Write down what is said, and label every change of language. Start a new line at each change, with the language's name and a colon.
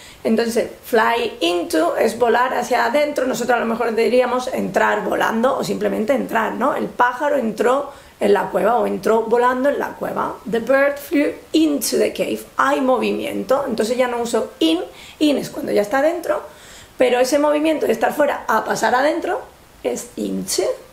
Spanish: Entonces, fly into es volar hacia adentro. Nosotros a lo mejor diríamos entrar volando o simplemente entrar, ¿no? El pájaro entró en la cueva o entró volando en la cueva.
English: The bird flew into the cave.
Spanish: Hay movimiento. Entonces ya no uso in. In es cuando ya está adentro. Pero ese movimiento de estar fuera a pasar adentro es into.